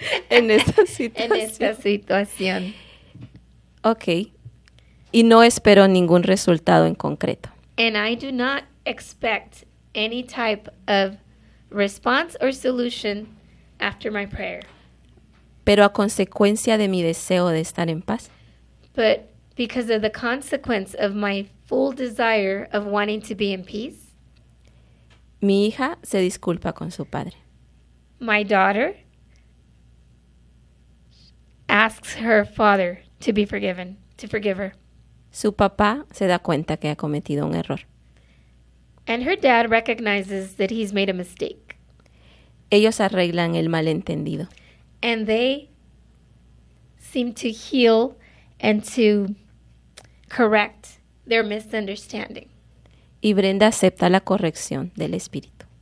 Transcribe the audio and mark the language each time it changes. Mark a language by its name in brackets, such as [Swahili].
[Spanish] En esta situación. En esta situación. Okay. Y no espero ningún resultado en concreto. [English] And I do not expect any type of response or solution after my prayer. [Spanish] Pero a consecuencia de mi deseo de estar en paz. [English] But because of the consequence of my full desire of wanting to be in peace. [Spanish] Mi hija se disculpa con su padre. [English] My daughter asks her father to be forgiven, to forgive her. [Spanish] Su papá se da cuenta que ha cometido un error. [English] And her dad recognizes that he's made a mistake. [Spanish] Ellos arreglan el malentendido. [English] And they seem to heal and to correct their misunderstanding. [Spanish] Y Brenda acepta la corrección del espíritu.